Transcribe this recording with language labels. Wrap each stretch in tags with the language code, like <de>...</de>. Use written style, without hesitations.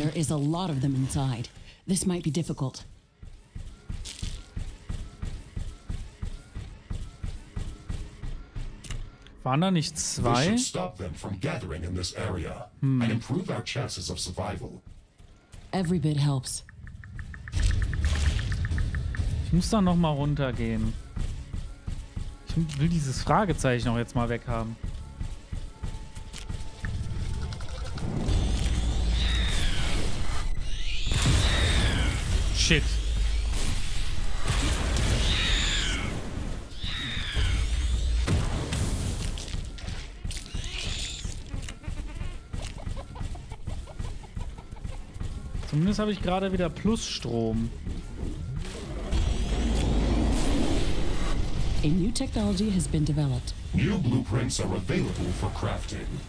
<en>There is a lot of them inside. This might be difficult.</en> <de>Waren da nicht zwei?</de> <en>We should stop them from gathering in this area and improve our chances of survival. Every bit helps.</en> <de>Ich muss da noch mal runtergehen. Ich will dieses Fragezeichen auch jetzt mal weg haben.</de> <en>Shit.</en> <de>Zumindest habe ich gerade wieder Plusstrom.</de> <en>A new technology has been developed. New blueprints are available for crafting.</en>